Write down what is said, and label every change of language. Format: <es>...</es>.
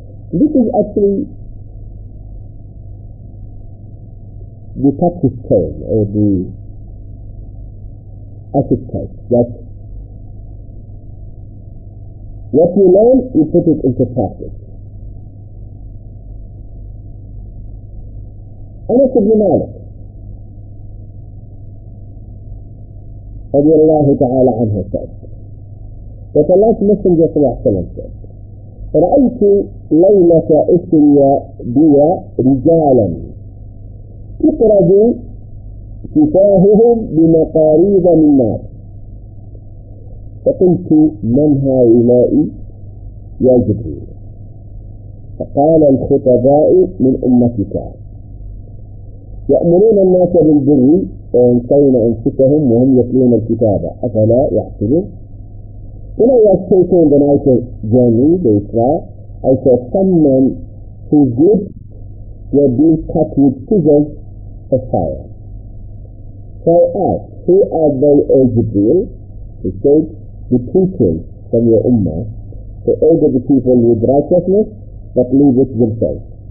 <en>This is actually the touchstone or the archetype that what you learn, you put it into practice.</en> <ar>Anas ibn Malik رضي الله تعالى عنه</ar> <en>said that Allah's Messenger</en> <ar>صلى الله عليه وسلم said رأيت ليلة إسريا بي رجالا تقرض كفاههم بمقاريض من نار فقلت من هؤلاء يا جبريل فقال الخطباء من أمتك يأمرون الناس بالبر وينسون أنفسهم وهم يتلون الكتاب أفلا يحسبون.</ar> <en>When I was taking the night journey, the Isra, I saw some men whose lips were being cut with scissors of fire. So I asked, who are they, O Jibreel? He said, the teachers from your Ummah, to order the people with righteousness, but leave it themselves.</en>